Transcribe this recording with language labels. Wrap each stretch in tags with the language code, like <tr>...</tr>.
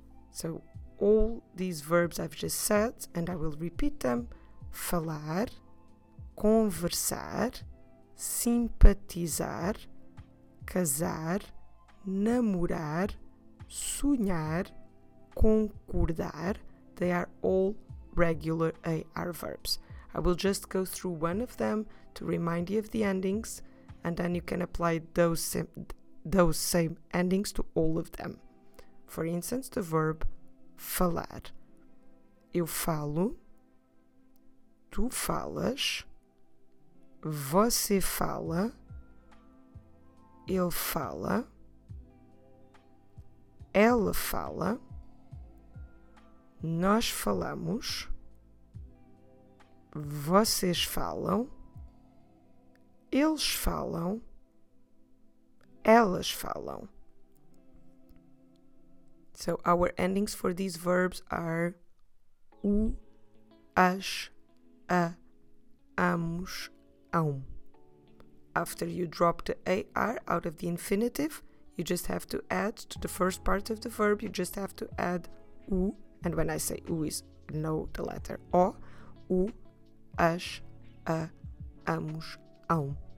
<en>So all these verbs I've just said, and I will repeat them:</en> <pt>falar, conversar, simpatizar, casar, namorar, sonhar, concordar.</pt> <en>They are all regular AR verbs. I will just go through one of them to remind you of the endings, and then you can apply those same endings to all of them. For instance, the verb falar.</en> <pt>Eu falo, tu falas, você fala, ele fala, ela fala, nós falamos, vocês falam, eles falam, elas falam.</pt> <en>So our endings for these verbs are u, as, a, amos, am. After you drop the AR out of the infinitive, you just have to add to the first part of the verb, you just have to add u, and when I say u is no the letter o, u, as, a, amos, am.</en>